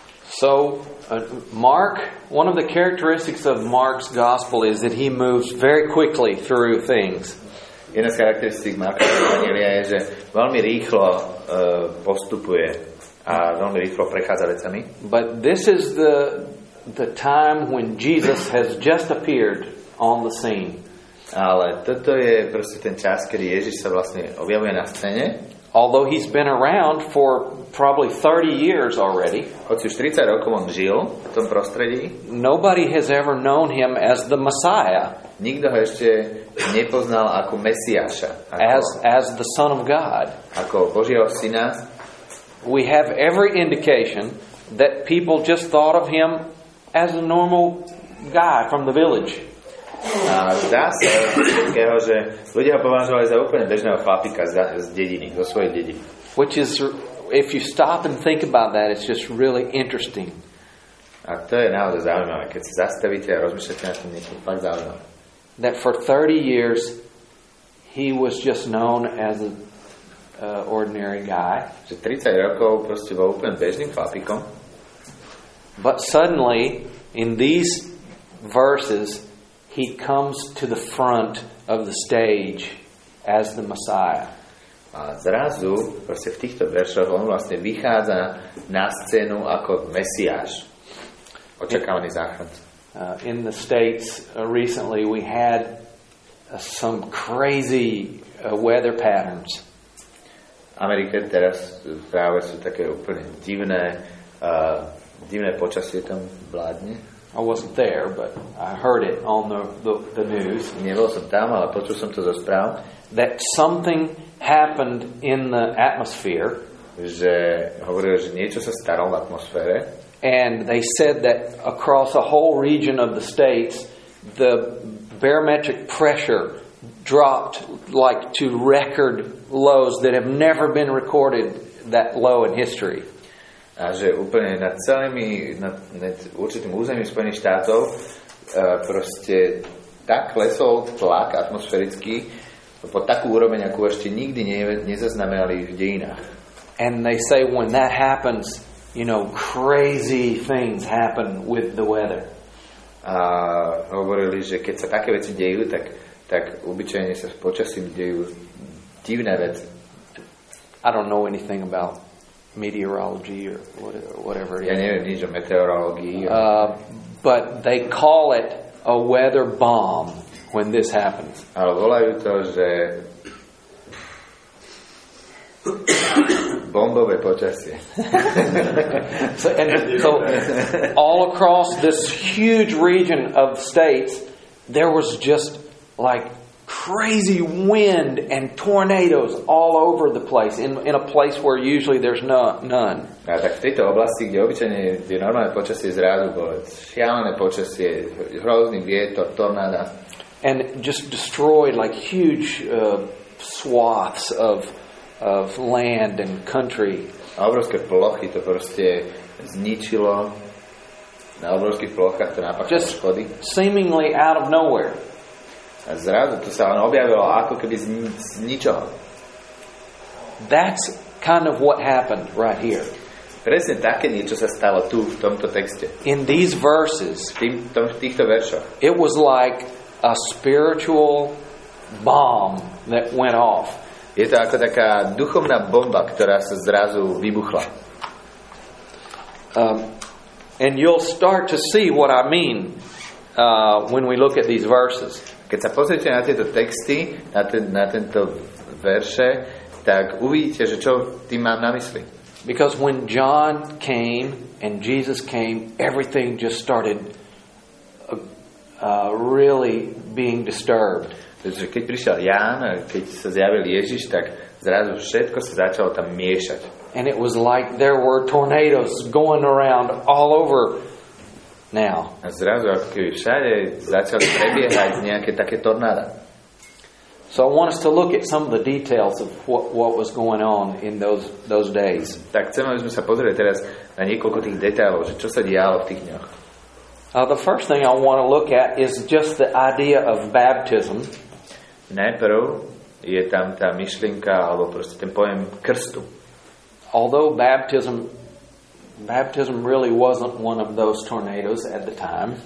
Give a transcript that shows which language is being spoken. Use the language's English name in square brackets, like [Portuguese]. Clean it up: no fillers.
[English] So Mark, one of the characteristics of Mark's gospel is that he moves very quickly through things. [Slovak] Jedna z charakteristík Markovho evanjelia je, že veľmi rýchlo postupuje a veľmi rýchlo prechádza vecami. [English] But this is the time when Jesus has just appeared on the scene. [Slovak] Ale toto je proste ten čas, kedy Ježiš sa vlastne objavuje na scéne. [English] Although he's been around for probably 30 years already. [Slovak] Hoci už 30 rokov on žil v tom prostredí. [English] Nobody has ever known him as the Messiah. [Slovak] Nikto ho ešte nepoznal ako Mesiáša. [English] As the Son of God. [Slovak] Ako Božieho Syna. [English] We have every indication that people just thought of him as a normal guy from the village. [Slovak] A zdá sa, že ľudia ho považovali za úplne bežného chlapíka z dediny, zo svojej dediny. [English] Which is, if you stop and think about that, it's just really interesting. [Slovak] A to je naozaj zaujímavé, keď sa zastavíte a rozmýšľate na tom, niečo fakt zaujímavé. [English] That for 30 years he was just known as an ordinary guy. [Slovak] Že 30 rokov proste bol úplne bežným chlapíkom. [English] But suddenly, in these verses, he comes to the front of the stage as the Messiah. [Slovak] A zrazu, proste v týchto veršoch, on vlastne vychádza na scénu ako Mesiáš, očakávaný záchranca. [English] In the States recently, we had some crazy weather patterns. [Slovak] Amerika teraz práve sú také úplne divné počasie tam vládne. [English] I wasn't there, but I heard it on the news. [Slovak] Nebol som tam, ale počul som to zo správ. [English] That something happened in the atmosphere. [Slovak] Že hovoril, že niečo sa stalo v atmosfére. [English] And they said that across a whole region of the states, the barometric pressure dropped like to record lows that have never been recorded that low in history. [Slovak] A že úplne nad celými, nad určitým územím Spojených štátov proste tak klesol tlak atmosférický po takú úroveň, akú ešte nikdy nezaznamenali v dejinách. [English] And they say when that happens, you know, crazy things happen with the weather. [Slovak] A hovorili, že keď sa také veci dejú, tak obyčajne sa počasím dejú divné veci. [English] I don't know anything about meteorology or whatever. [Slovak] Ja neviem nič o meteorológii. [English] But they call it a weather bomb when this happens. [Slovak] Ale volajú to, že bombové počasie. [English] So all across this huge region of states, there was just like crazy wind and tornadoes all over the place in a place where usually there's none. [Slovak] A tak v tejto oblasti, kde obyčajne je normálne počasie, zrazu bolo šialené počasie, hrozný vietor, tornáda. [English] And just destroyed like huge swaths of land and country. [Slovak] A obrovské plochy to proste zničilo. Na obrovských plochách to napáchalo škody. [English] Just seemingly out of nowhere. [Slovak] A zrazu to sa ono objavilo ako keby z ničoho. [English] That's kind of what happened right here. [Slovak] Presne také niečo sa stalo tu v tomto texte. [English] In these verses. [Slovak] V týchto veršoch. [English] It was like a spiritual bomb that went off. [Slovak] Je to ako taká duchovná bomba, ktorá sa zrazu vybuchla. [English] And you'll start to see what I mean when we look at these verses. [Slovak] Keď sa pozriete na tieto texty, na tento verše, tak uvidíte, že čo tým mám na mysli. [English] Because when John came and Jesus came, everything just started really being disturbed. [Slovak] Pretože keď prišiel Ján a keď sa zjavil Ježiš, tak zrazu všetko sa začalo tam miešať. [English] And it was like there were tornadoes going around all over now. [Slovak] A zrazu ako keby všade začali prebiehať nejaké také tornáda. [English] So I want us to look at some of the details of what was going on in those days. [Slovak] Tak chcem, aby sme sa pozreli teraz na niekoľko tých detailov, že čo sa dialo v tých dňoch. [English] The first thing I want to look at is just the idea of baptism. [Slovak] Najprv je tam tá myšlienka, alebo proste ten pojem krstu. [English] Although baptism really wasn't one of those tornadoes at the time.